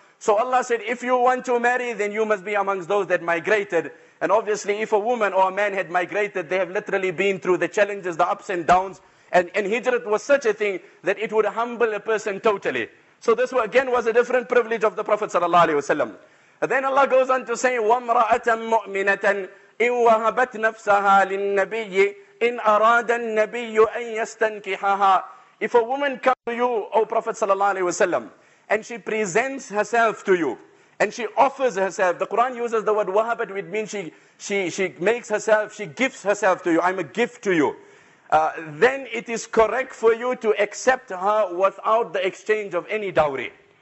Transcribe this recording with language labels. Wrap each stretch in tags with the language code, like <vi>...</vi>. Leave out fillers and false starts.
<en>So Allah said, if you want to marry, then you must be amongst those that migrated. And obviously, if a woman or a man had migrated, they have literally been through the challenges, the ups and downs. And hijrat was such a thing that it would humble a person totally. So this again was a different privilege of the Prophet ﷺ. And then Allah goes on to say,</en> <ar>وَامْرَأَةً مُؤْمِنَةً إِنْ وَهَبَتْ نَفْسَهَا لِلنَّبِيِّ إِنْ أَرَادَ النَّبِيُّ أَنْ يَسْتَنْكِحَهَا.</ar> <en>If a woman comes to you, O Prophet ﷺ, and she presents herself to you, and she offers herself. The Quran uses the word wahabat, which means she makes herself, she gives herself to you. I'm a gift to you. Then it is correct for you to accept her without the exchange of any dowry.</en>